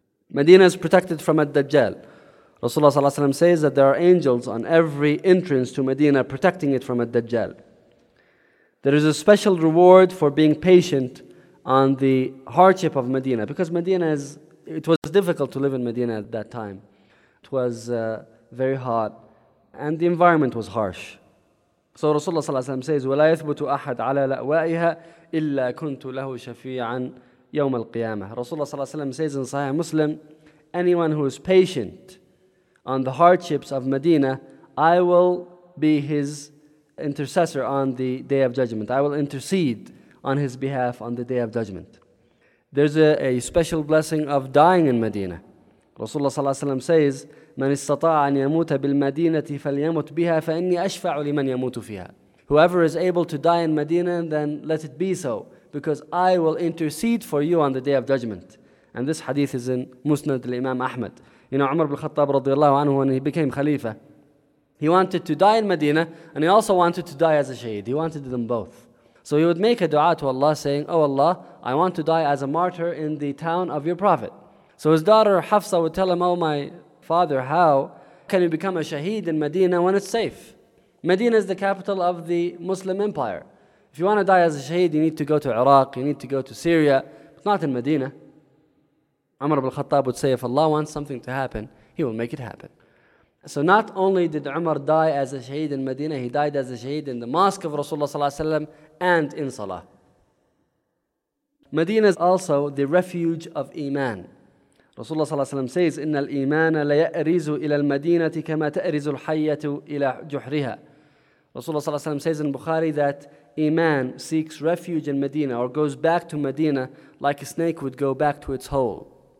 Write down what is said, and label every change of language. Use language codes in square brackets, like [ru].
[en] Medina is protected from Ad-Dajjal. Rasulullah ﷺ says that there are angels on every entrance to Medina protecting it from Ad-Dajjal. There is a special reward for being patient on the hardship of Medina, because Medina is, it was difficult to live in Medina at that time. It was very hot and the environment was harsh. [ar] So Rasulullah ﷺ says, وَلَا يَثْبُتُ أَحَدْ عَلَى لَأْوَائِهَا إِلَّا كُنْتُ لَهُ شَفِيعًا يَوْمَ الْقِيَامَةِ. [en] Rasulullah ﷺ says in Sahih Muslim, anyone who is patient on the hardships of Medina, I will be his intercessor on the Day of Judgment. I will intercede on his behalf on the Day of Judgment. There's a special blessing of dying in Medina. [ar] Rasulullah ﷺ says, مَنِ اسْتَطَاعَ أَنْ يَمُوتَ بِالْمَدِينَةِ فَلْيَمُوتُ بِهَا فَإِنِّي أَشْفَعُ لِمَنْ يَمُوتُ فِيهَا. [en] Whoever is able to die in Medina, then let it be so, because I will intercede for you on the Day of Judgment. And this hadith is in Musnad al-Imam Ahmad. You know, Umar ibn Khattab رضي الله عنه, when he became Khalifa, he wanted to die in Medina, and he also wanted to die as a shaheed. He wanted them both. So he would make a dua to Allah saying, Oh Allah, I want to die as a martyr in the town of your prophet. So his daughter Hafsa would tell him, Oh my father, how can you become a shaheed in Medina when it's safe? Medina is the capital of the Muslim empire. If you want to die as a shaheed, you need to go to Iraq, you need to go to Syria, but not in Medina. Umar ibn Khattab would say, If Allah wants something to happen, he will make it happen. So not only did Umar die as a shaheed in Medina, he died as a shaheed in the mosque of Rasulullah sallallahu alaihi wasallam and in Salah. Medina is also the refuge of Iman. [ar] Rasulullah sallallahu alaihi wasallam says, إِنَّ الْإِيمَانَ لَيَأْرِزُ إِلَى الْمَدِينَةِ كَمَا تَأْرِزُ الْحَيَّةُ إِلَى جُحْرِهَا. [en] Rasulullah sallallahu alaihi wasallam says in Bukhari that Iman seeks refuge in Medina or goes back to Medina like a snake would go back to its hole.